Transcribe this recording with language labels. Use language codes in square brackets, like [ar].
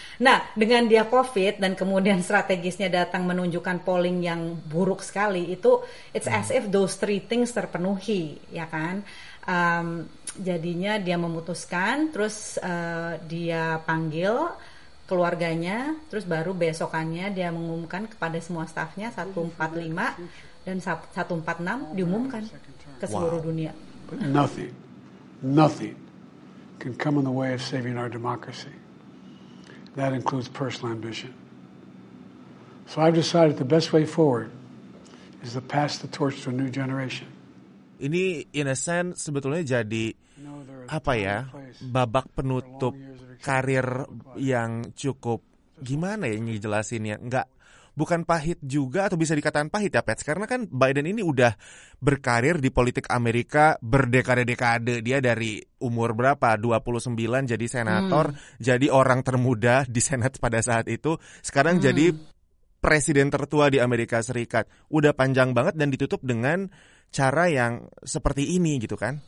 [id] Nah, dengan dia COVID dan kemudian strategisnya datang menunjukkan polling yang buruk sekali, itu [en] it's as if those three things [id] terpenuhi, ya kan. Jadinya dia memutuskan, terus dia panggil keluarganya, terus baru besokannya dia mengumumkan kepada semua stafnya, 145 dan 146 diumumkan ke seluruh dunia. [en] But nothing can come in the way of saving our democracy. That includes personal ambition. So I've decided the best way forward is to pass the torch to a new generation. [id] Ini [en] in a sense [id] sebetulnya jadi apa ya, babak penutup karir yang cukup, gimana ya ngejelasinnya, nggak, bukan pahit juga, atau bisa dikatakan pahit ya, Pets, karena kan Biden ini udah berkarir di politik Amerika berdekade-dekade, dia dari umur berapa, 29 jadi senator, jadi orang termuda di Senat pada saat itu, sekarang jadi presiden tertua di Amerika Serikat, udah panjang banget, dan ditutup dengan cara yang seperti ini gitu kan?